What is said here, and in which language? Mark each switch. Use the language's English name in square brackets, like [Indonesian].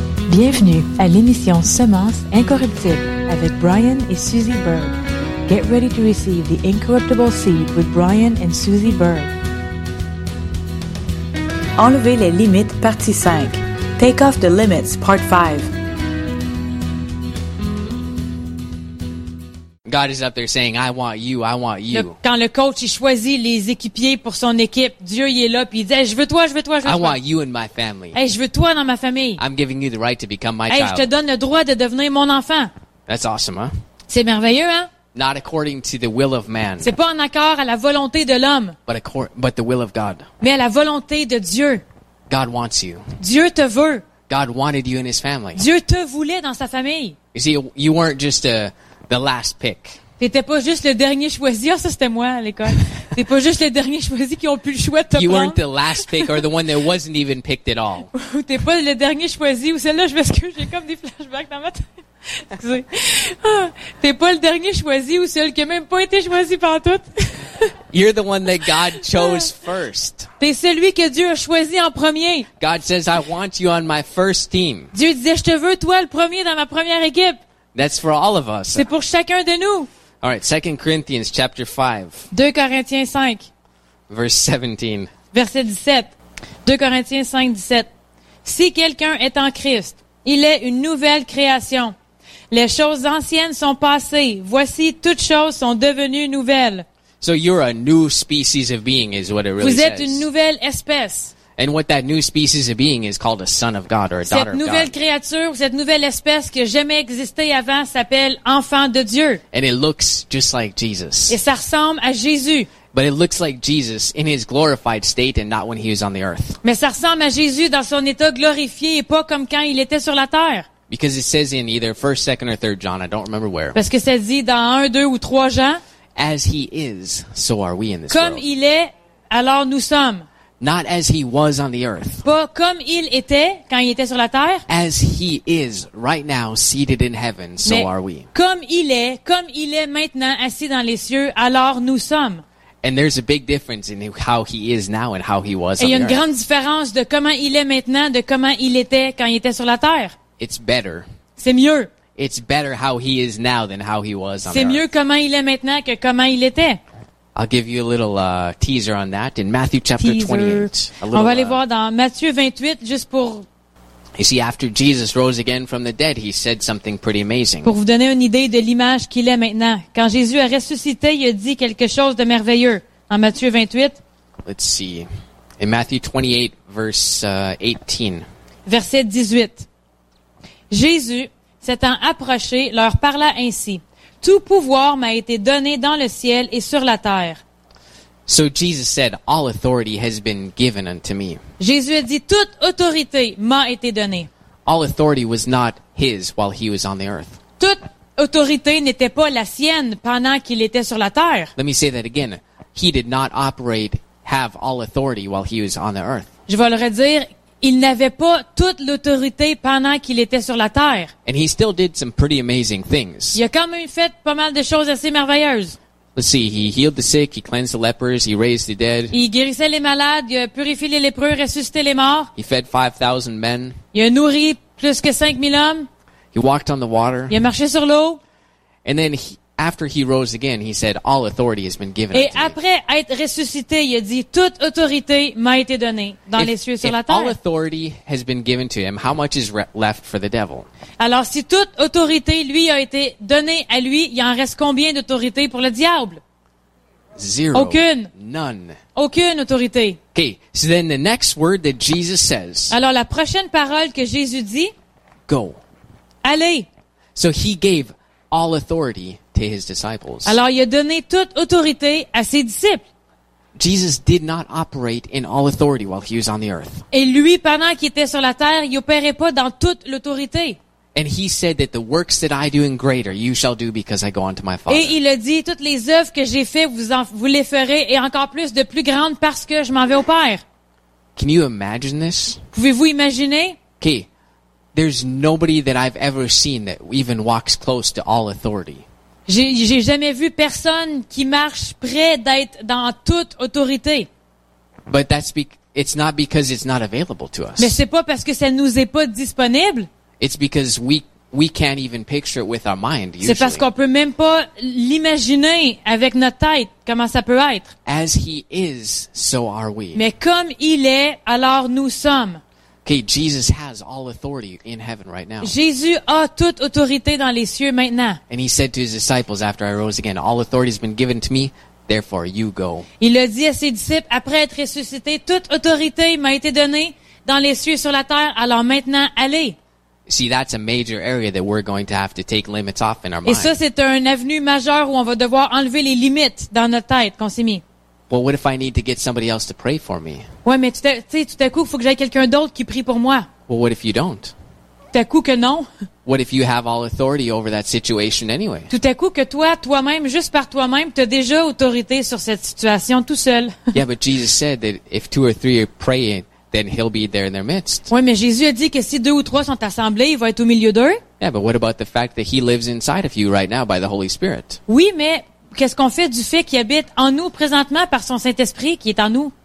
[French] Bienvenue à l'émission Semence incorruptible avec Brian et Suzy Berg. [English] Get ready to receive the incorruptible seed with Brian and Suzy Berg. [French] Enlever les limites, partie 5. [English] Take off the limits, part 5. God is up there saying, I want you, I want you. [French] Quand le coach il choisit les équipiers pour son équipe, Dieu il est là puis il dit, hey, je veux toi. [English] I want you in my family. [French] Hey, je veux toi dans ma famille. [English] I'm giving you the right to become my hey, child. [French] Je te donne le droit de devenir mon enfant. [English] That's awesome, huh? [French] C'est merveilleux, hein? [English] Not according to the will of man. [French] C'est pas en accord à la volonté de l'homme. [English] But the will of God. [French] Mais à la volonté de Dieu. [English] God wants you. [French] Dieu te veut. [English] God wanted you in his family. [French] Dieu te voulait dans sa famille. [English] You see, you weren't just the last pick. [French] T'étais pas juste le dernier choisi. Oh, ça c'était moi à l'école. T'es pas juste le dernier choisi qui ont plus le choix de te prendre. [English] You weren't the last pick or the one that wasn't even picked at all. [French] Ou t'es pas le dernier choisi. Ou celle-là, je m'excuse, j'ai comme des flashbacks dans ma tête. Excusez. T'es pas le dernier choisi ou celle qui a même pas été choisie par toutes. [English] You're the one that God chose first. [French] T'es celui que Dieu a choisi en premier. [English] God says, I want you on my first team. [French] Dieu disait, je te veux toi le premier dans ma première équipe. [English] That's for all of us. [French] C'est pour chacun de nous. [English] All right, 2 Corinthians chapter 5. [French] 2 Corinthiens 5. [English] Verse 17. [French] Verset 17. 2 Corinthiens 5, 17. Si quelqu'un est en Christ, il est une nouvelle création. Les choses anciennes sont passées. Voici, toutes choses sont devenues nouvelles. [English] So you're a new species of being is what it really says. [French] Vous êtes une nouvelle espèce. [English] And what that new species of being is called a son of God or a daughter of God. [French] Cette nouvelle créature, cette nouvelle espèce qui n'a jamais existé avant s'appelle enfant de Dieu. [English] And it looks just like Jesus. [French] Et ça ressemble à Jésus. [English] But it looks like Jesus in his glorified state and not when he was on the earth. [French] Mais ça ressemble à Jésus dans son état glorifié et pas comme quand il était sur la terre. [English] Because it says in either 1st, 2nd or 3rd John, I don't remember where. [French] Parce que ça dit dans 1, 2 ou 3 Jean. [English] As he is, so are we in this [French] comme [English] world. [French] Comme il est, alors nous sommes. [English] Not as he was on the earth. [French] Pas comme il était quand il était sur la terre. [English] As he is right now seated in heaven, so are we. [French] Comme il est maintenant assis dans les cieux, alors nous sommes. [English] And there's a big difference in how he is now and how he was on the earth. [French] Et il y a une grande différence de comment il est maintenant de comment il était quand il était sur la terre. [English] It's better. [French] C'est mieux. [English] It's better how he is now than how he was on earth. [French] C'est mieux comment il est maintenant que comment il était. [English] I'll give you a little teaser on that in Matthew chapter teaser. 28. A little, [French] on va aller voir dans Matthieu 28 juste pour. [English] You see, after Jesus rose again from the dead, he said something pretty amazing. [French] Pour vous donner une idée de l'image qu'il est maintenant, quand Jésus a ressuscité, il a dit quelque chose de merveilleux en Matthieu 28. [English] Let's see, in Matthew 28 verse 18. [French] Verset 18. Jésus, s'étant approché, leur parla ainsi. Tout pouvoir m'a été donné dans le ciel et sur la terre. [English] So Jesus said, all authority has been given unto me. [French] Jésus a dit, toute autorité m'a été donnée. [English] All authority was not his while he was on the earth. [French] Toute autorité n'était pas la sienne pendant qu'il était sur la terre. [English] Let me say that again. He did not operate, have all authority while he was on the earth. [French] Je vais le redire. Il n'avait pas toute l'autorité pendant qu'il était sur la terre. [English] And he still did some pretty amazing things. [French] Il a quand même fait pas mal de choses assez merveilleuses. [English] Let's see, he healed the sick, he cleansed the lepers, he raised the dead. [French] Il guérissait les malades, il a purifié les lépreux, ressuscité les morts. [English] He fed 5,000 men. [French] Il a nourri plus que 5,000 hommes. [English] He walked on the water. [French] Il a marché sur l'eau. [English] And then after he rose again, he said, all authority has been given unto me. [French] Et après être ressuscité, il a dit, toute autorité m'a été donnée dans les cieux et sur la terre. [English] If all authority has been given to him, how much is left for the devil? [French] Alors, si toute autorité lui a été donnée à lui, il en reste combien d'autorité pour le diable? [English] Zero. [French] Aucune. [English] None. [French] Aucune autorité. [English] Okay. So then the next word that Jesus says. [French] Alors, la prochaine parole que Jésus dit. [English] Go. [French] Allez. [English] So he gave all authority to his disciples. [French] Alors, il a donné toute autorité à ses disciples. [English] Jesus did not operate in all authority while he was on the earth. [French] Et lui, pendant qu'il était sur la terre, il opérait pas dans toute l'autorité. [English] And he said that the works that I do in greater, you shall do because I go unto my Father. [French] Et il a dit, toutes les œuvres que j'ai fait, vous les ferez, et encore plus de plus grandes parce que je m'en vais au Père. [English] Can you imagine this? [French] Pouvez-vous imaginer? [English] Okay. There's nobody that I've ever seen that even walks close to all authority. [French] J'ai jamais vu personne qui marche près d'être dans toute autorité. [English] But it's not because it's not available to us. [French] Mais c'est pas parce que ça nous est pas disponible. [English] It's because we can't even picture it with our mind. Usually. [French] C'est parce qu'on peut même pas l'imaginer avec notre tête comment ça peut être. [English] As he is, so are we. [French] Mais comme il est, alors nous sommes. [English] Okay, Jesus has all authority in heaven right now. [French] Jésus a toute autorité dans les cieux maintenant. [English] And he said to his disciples after I rose again, all authority has been given to me, therefore you go. [French] Il a dit à ses disciples après être ressuscité, toute autorité m'a été donnée dans les cieux et sur la terre, alors maintenant allez. [English] See, that's a major area that we're going to have to take limits off in our mind. [French] Et ça c'est un avenue majeure où on va devoir enlever les limites dans notre tête qu'on s'est mis. [English] Well, what if I need to get somebody else to pray for me? [French] Ouais, mais tout à coup, il faut que j'aie quelqu'un d'autre qui prie pour moi. [English] Well, what if you don't? [French] Tout à coup que non. [English] What if you have all authority over that situation anyway? [French] Tout à coup que toi-même, juste par toi-même, tu as déjà autorité sur cette situation tout seul. [English] Yeah, but Jesus said that if two or three are praying, then he'll be there in their midst. [French] Ouais, mais Jésus a dit que si deux ou trois sont assemblés, il va être au milieu d'eux. [English] Yeah, but what about the fact that he lives inside of you right now by the Holy Spirit? [French] Oui, mais qu'est-ce qu'on fait du fait qu'il habite en nous présentement par son Saint-Esprit qui est en nous?